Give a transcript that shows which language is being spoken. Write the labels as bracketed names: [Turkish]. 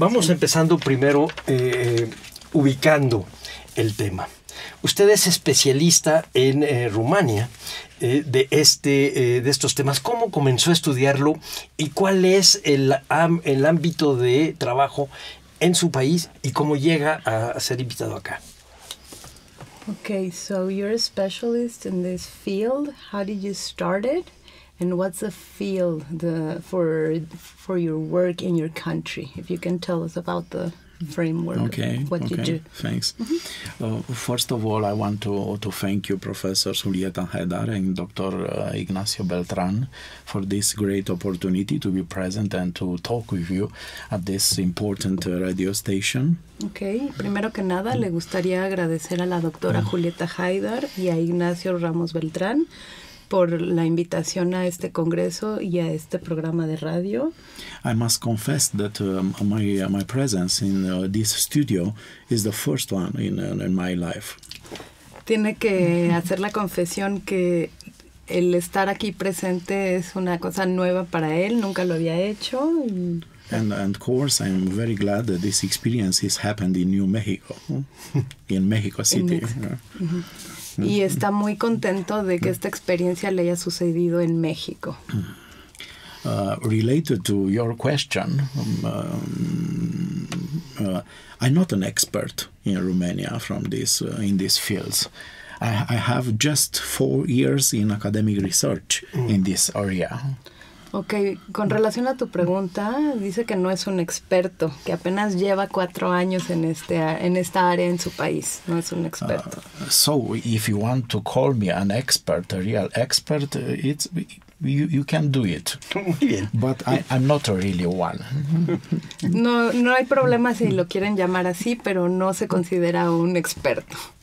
[Spanish] Vamos empezando primero ubicando el tema. Usted es especialista en Rumania de estos temas. ¿Cómo comenzó a estudiarlo y cuál es el ámbito de trabajo en su país y cómo llega a ser invitado acá? [English] Okay, so you're a specialist in this field. How did you start it? And what's the field for your work in your country? If you can tell us about the framework. Thanks. First of all, I want to thank you, Professor Julieta Haidar and Dr. Ignacio Beltran, for this great opportunity to be present and to talk with you at this important radio station. Okay. [Spanish] Primero que nada, le gustaría agradecer a la doctora Julieta Haidar y a Ignacio Ramos Beltran por la invitación a este congreso y a este programa de radio. [English] I must confess that my presence in this studio is the first one in my life. [Spanish] Tiene que hacer la confesión que el estar aquí presente es una cosa nueva para él, nunca lo había hecho. [English] And of course, I'm very glad that this experience has happened in New Mexico, in Mexico City. [Spanish] Y está muy contento de que esta experiencia le haya sucedido en México. [English] Related to your question, I'm not an expert in Romania from this in these fields. I have just 4 years in academic research in this area. [Spanish] Okay, con relación a tu pregunta, dice que no es un experto, que apenas lleva 4 años en esta área en su país, no es un experto. [English] So if you want to call me an expert, a real expert, it's you can do it. [Spanish] Muy bien. [English] But I'm not a really one. [Spanish] No hay problema si lo quieren llamar así, pero no se considera un experto.